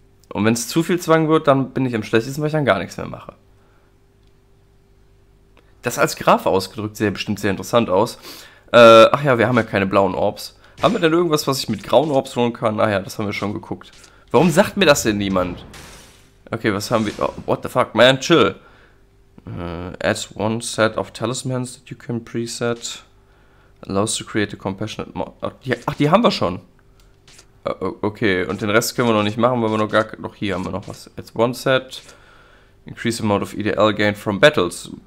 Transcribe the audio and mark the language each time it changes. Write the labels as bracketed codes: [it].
[de] Und wenn es zu viel Zwang wird, dann bin ich am schlechtesten, weil ich dann gar nichts mehr mache. Das als Graf ausgedrückt sieht bestimmt sehr interessant aus. Ach ja, wir haben ja keine blauen Orbs. Haben wir denn irgendwas, was ich mit grauen Orbs holen kann? Na ja, das haben wir schon geguckt. Warum sagt mir das denn niemand? Okay, was haben wir... [en] Oh, what the fuck, man, chill. Add one set of talismans that you can preset. Allows to create a compassionate mod. [de] Ach, die haben wir schon. Okay, und den Rest können wir noch nicht machen, weil wir noch gar... Noch hier haben wir noch was. [en] Add one set. Increase amount of EDL gain from battles.